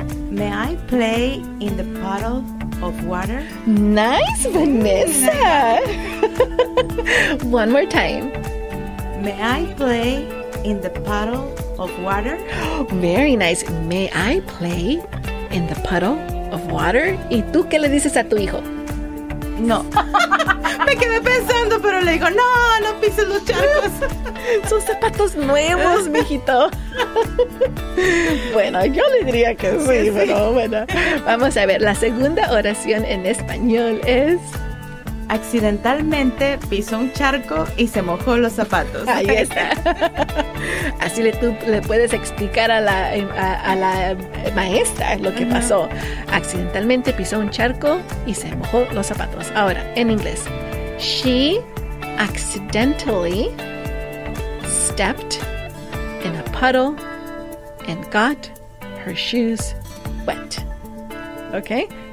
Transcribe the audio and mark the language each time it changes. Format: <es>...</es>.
<en>May I play in the puddle of water? Nice, Vanessa. One more time. May I play in the puddle of water? Very nice. May I play in the puddle of water?</en> <es>¿Y tú qué le dices a tu hijo? No. Me quedé pensando, pero le digo, no pises los charcos. Son zapatos nuevos, mijito. Bueno, yo le diría que sí, sí, pero bueno. Vamos a ver, la segunda oración en español es... Accidentalmente pisó un charco y se mojó los zapatos. Ahí está. Así tú le puedes explicar a la maestra lo que pasó. Accidentalmente pisó un charco y se mojó los zapatos. Ahora, en inglés.</es> <en>She accidentally stepped in a puddle and got her shoes wet. Okay?</en>